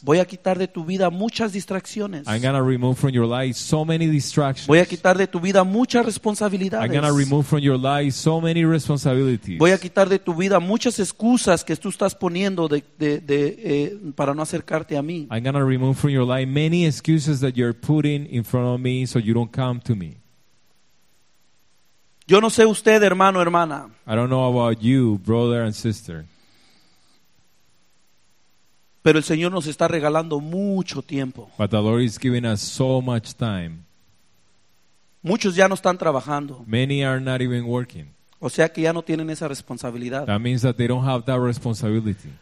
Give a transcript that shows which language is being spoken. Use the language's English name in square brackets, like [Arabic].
[Spanish] Voy a quitar de tu vida muchas distracciones. [English] I'm gonna remove from your life so many distractions. [Spanish] Voy a quitar de tu vida muchas responsabilidades. [English] I'm gonna remove from your life so many responsibilities. [Spanish] Voy a quitar de tu vida muchas excusas que tú estás poniendo para no acercarte a mí. [English] I'm gonna remove from your life many excuses that you're putting in front of me so you don't come to me. [Spanish] Yo no sé usted, hermano, hermana. [English] I don't know about you, brother and sister. [Spanish] Pero el Señor nos está regalando mucho tiempo. [English] But the Lord is giving us so much time. [Spanish] Muchos ya no están trabajando. [English] Many are not even working. [Spanish] O sea que ya no tienen esa responsabilidad. [English] That means that they don't have that responsibility.